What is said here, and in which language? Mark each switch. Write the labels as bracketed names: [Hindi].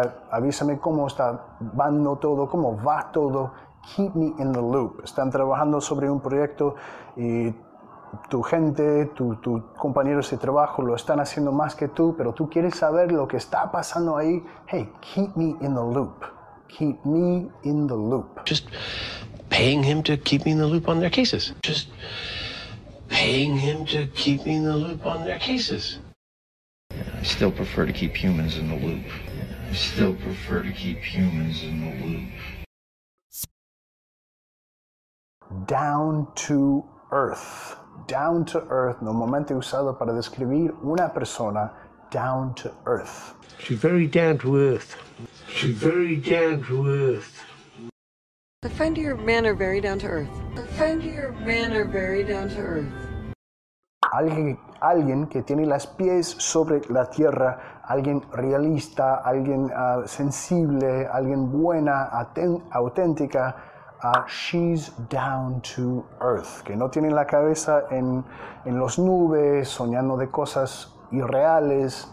[Spanish] Avísame cómo está vando todo, cómo va todo. [English] Keep me in the loop. [Spanish] Están trabajando sobre un proyecto y tu gente, tu compañeros de trabajo lo están haciendo más que tú, pero tú quieres saber lo que está pasando ahí. [English] Hey, keep me in the loop. Keep me in the loop. Just paying him to keep me in the loop on their cases. Just paying him to keep me in the loop on their cases. Yeah, I still prefer to keep humans in the loop. Yeah, I still prefer to keep humans in the loop. Down to earth. Down to earth, [Spanish] normalmente usado para describir una persona, [English] down to earth. She's very down to earth. She's very down to earth. The friend of your man are very down to earth. The friend of your man are very down to earth. [Spanish] Alguien que tiene los pies sobre la tierra, alguien realista, alguien sensible, alguien buena, auténtica. [English] She's down to earth. [Spanish] Que no tiene la cabeza en los nubes, soñando de cosas irreales.